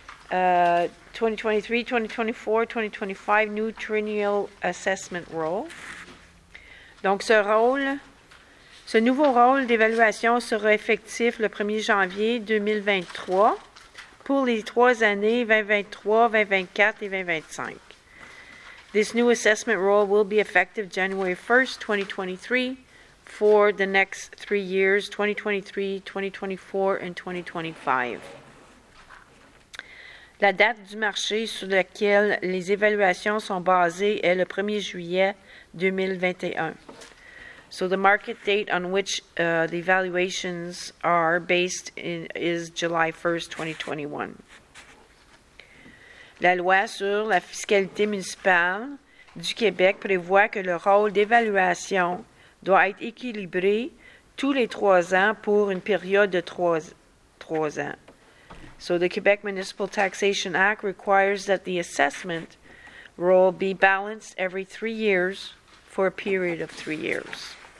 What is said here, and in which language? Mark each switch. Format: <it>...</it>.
<en>2023, 2024, 2025, new triennial assessment role.</en> <fr>Donc, ce rôle, ce nouveau rôle d'évaluation sera effectif le 1er janvier 2023 pour les trois années 2023, 2024 et 2025.</fr> <en>This new assessment role will be effective January 1st, 2023, for the next 3 years, 2023, 2024, and 2025.</en> <fr>La date du marché sur laquelle les évaluations sont basées est le 1er juillet 2021.</fr> <en>So the market date on which the evaluations are based is July 1st, 2021.</en> <fr>La loi sur la fiscalité municipale du Québec prévoit que le rôle d'évaluation doit être équilibré tous les trois ans pour une période de trois ans.</fr> <en>So the Quebec Municipal Taxation Act requires that the assessment role be balanced every 3 years for a period of 3 years.</en>